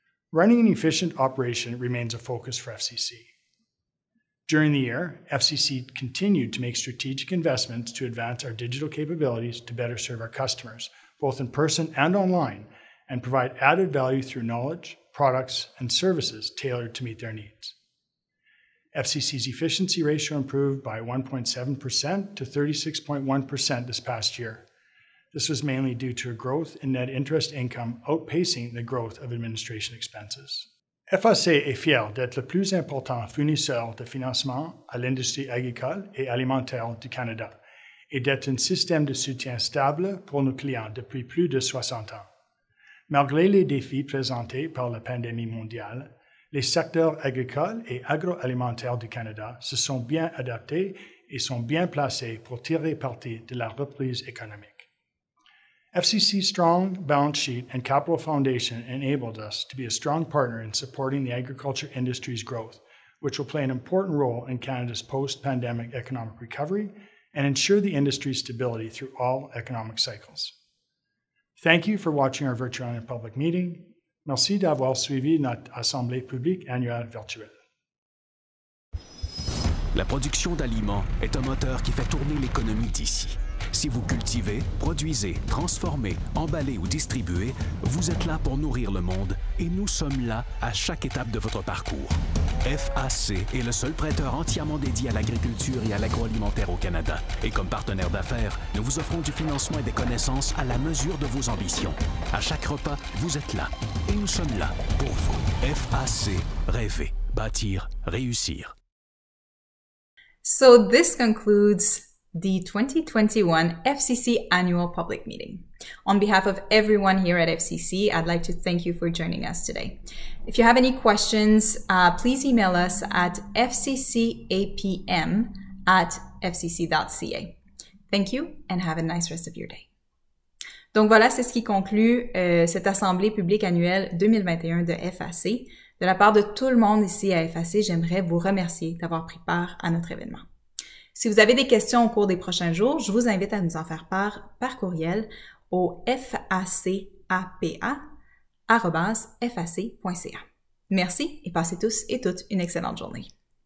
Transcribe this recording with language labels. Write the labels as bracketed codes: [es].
[en] Running an efficient operation remains a focus for FCC. During the year, FCC continued to make strategic investments to advance our digital capabilities to better serve our customers, both in person and online, and provide added value through knowledge, products, and services tailored to meet their needs. FCC's efficiency ratio improved by 1.7% to 36.1% this past year. This was mainly due to a growth in net interest income outpacing the growth of administration expenses. [fr] FAC est fier d'être le plus important fournisseur de financement à l'industrie agricole et alimentaire du Canada et d'être un système de soutien stable pour nos clients depuis plus de 60 ans. Malgré les défis présentés par la pandémie mondiale, les secteurs agricoles et agroalimentaires du Canada se sont bien adaptés et sont bien placés pour tirer parti de la reprise économique. [en] FCC's strong balance sheet and capital foundation enabled us to be a strong partner in supporting the agriculture industry's growth, which will play an important role in Canada's post-pandemic economic recovery and ensure the industry's stability through all economic cycles. Thank you for watching our virtual and public meeting. [fr] Merci d'avoir suivi notre Assemblée publique annuelle virtuelle. La production d'aliments est un moteur qui fait tourner l'économie d'ici. Si vous cultivez, produisez, transformez, emballez ou distribuez, vous êtes là pour nourrir le monde et nous sommes là à chaque étape de votre parcours. FAC est le seul prêteur entièrement dédié à l'agriculture et à l'agroalimentaire au Canada. Et comme partenaire d'affaires, nous vous offrons du financement et des connaissances à la mesure de vos ambitions. À chaque repas, vous êtes là. Et nous sommes là pour vous. FAC, rêver, bâtir, réussir. [en] So this concludes the 2021 FCC Annual Public Meeting. On behalf of everyone here at FCC, I'd like to thank you for joining us today. If you have any questions, please email us at fccapm@fcc.ca. Thank you and have a nice rest of your day. [fr] Donc voilà, c'est ce qui conclut cette Assemblée publique annuelle 2021 de FAC. De la part de tout le monde ici à FAC, j'aimerais vous remercier d'avoir pris part à notre événement. Si vous avez des questions au cours des prochains jours, je vous invite à nous en faire part par courriel au facapa@fac.ca. Merci et passez tous et toutes une excellente journée.